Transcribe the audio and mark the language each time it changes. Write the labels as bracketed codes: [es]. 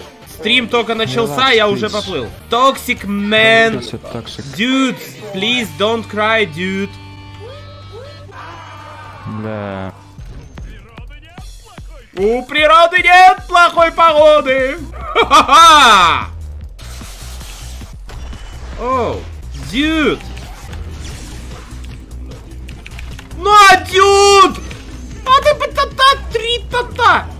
[ru] Стрим только начался, я уже поплыл. [en] Toxic man. Dude, please don't cry, dude. [ru] У природы нет плохой погоды! Ха-ха-ха! [en] Оу, дюд! [ru] На, дюд! А ты бы та-та, три та-та!